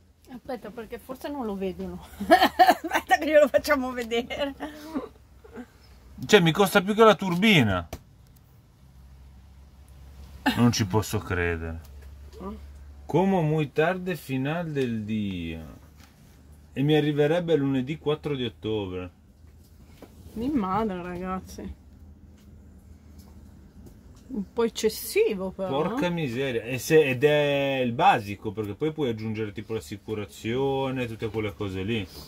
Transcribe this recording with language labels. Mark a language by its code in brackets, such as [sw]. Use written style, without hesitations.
[it] Aspetta, perché forse non lo vedono. Aspetta che glielo facciamo vedere. Cioè, mi costa più che la turbina. Non ci posso credere. [es] Come muy tarde final del día. [it] E mi arriverebbe lunedì 4 di ottobre. Mi madre, ragazzi. Un po' eccessivo però. Porca miseria. E se, ed è il basico, perché poi puoi aggiungere tipo l'assicurazione, tutte quelle cose lì.